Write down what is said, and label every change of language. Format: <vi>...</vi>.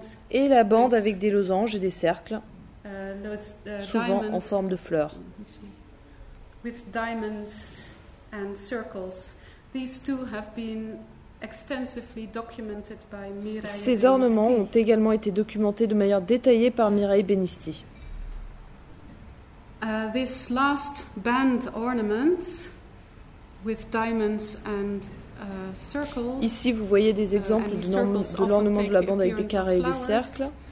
<fr>Et la bande avec des losanges et des cercles, souvent en forme de fleurs.</fr> <en>With diamonds and circles, these two have been extensively documented by Mireille.</en> <fr>Ces ornements ont également été documentés de manière détaillée par Mireille Benisti.</fr> <en>This last band ornament. With diamonds and circles.</en> <fr>Ici, vous voyez des exemples de l'ornement de la bande avec des carrés et des cercles.</fr>